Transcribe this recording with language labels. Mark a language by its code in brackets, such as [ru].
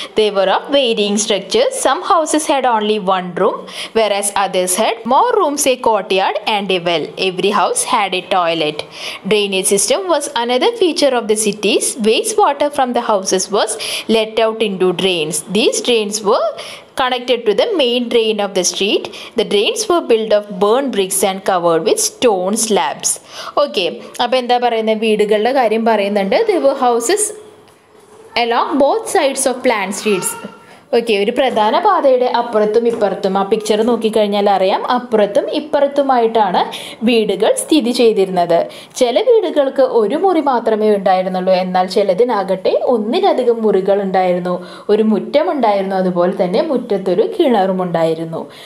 [en] They were of varying structures. Some houses had only one room, whereas others had more rooms, a courtyard and a well. Every house had a toilet. Drainage system was another feature of the cities. Waste water from the houses was let out into drains. These drains were connected to the main drain of the street. The drains were built of burnt bricks and covered with stone slabs. Okay, [ml] appo endha parayna veedugalde karyam parayunnunde. [en] There were houses along both sides of plant streets. [ml] Okay, ഒരു പ്രധാന പാതയുടെ അപ്പുറത്തും ഇപ്പുറത്തും, ആ picture നോക്കിക്കഴിഞ്ഞാൽ അറിയാം, അപ്പുറത്തും ഇപ്പുറത്തുമായിട്ടാണ് വീടുകൾ സ്ഥിതി ചെയ്തിരുന്നത്. ചില വീടുകൾക്ക് ഒരു മുറി മാത്രമേ ഉണ്ടായിരുന്നുള്ളൂ, എന്നാൽ ചിലതിനാകട്ടെ ഒന്നിലധികം മുറികൾ ഉണ്ടായിരുന്നു. ഒരു മുറ്റമുണ്ടായിരുന്നു, അതുപോലെ തന്നെ മുറ്റത്തൊരു കിണറുമുണ്ടായിരുന്നു.